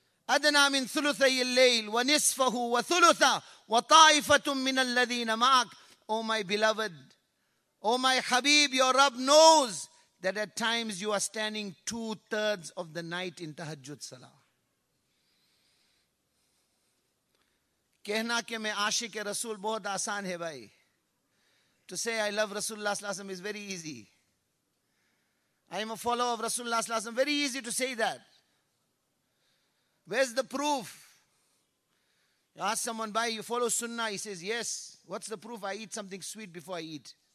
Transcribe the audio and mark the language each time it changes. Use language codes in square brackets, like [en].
[ar] أدنى من ثلثي الليل ونصفه وثلثة وطائفة من الذين معك. [en] Oh my beloved, oh my Habib, your Rabb knows that at times you are standing two-thirds of the night in tahajjud salah. [ur] کہنا کہ میں عاشق رسول بہت آسان ہے بھائی. [en] To say I love Rasulullah صلی اللہ علیہ وسلم is very easy. I am a follower of Rasulullah صلی اللہ علیہ وسلم. Very easy to say that. Where's the proof? You ask someone, bhai, you follow sunnah? He says, yes. What's the proof? I eat something sweet before I eat.